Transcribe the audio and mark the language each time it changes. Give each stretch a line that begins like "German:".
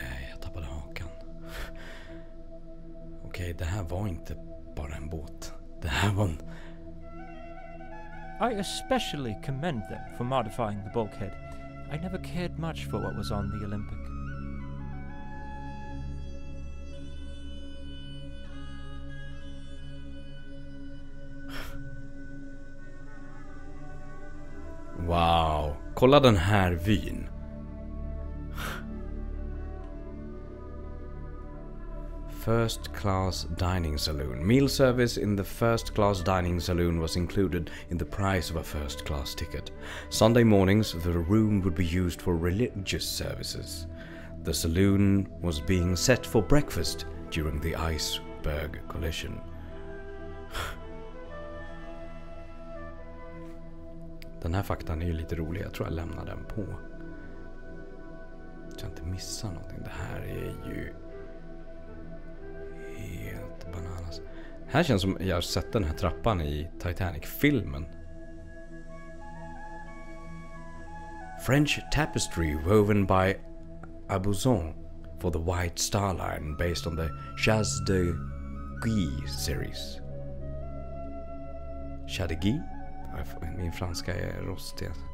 Swedish: Jag tappade hakan. Okej, det här var inte bara en båt.
English: I especially commend them for modifying the bulkhead. I never cared much for what was on the Olympic.
Swedish: Wow, kolla den här vyn.
English: First class dining saloon. Meal service in the first class dining saloon was included in the price of a first class ticket. Sunday mornings, the room would be used for religious services. The saloon was being set for breakfast during the iceberg collision.
Swedish: Den här faktan är ju lite rolig. Jag tror jag lämnar den på. Jag kan inte missa någonting. Det här är ju... Helt bananas. Här känns som jag har sett den här trappan i Titanic-filmen.
English: French tapestry woven by Aubusson for the White Star Line based on the Chasse de Guy series.
Swedish: Chasse de Guy? Min franska är rostig.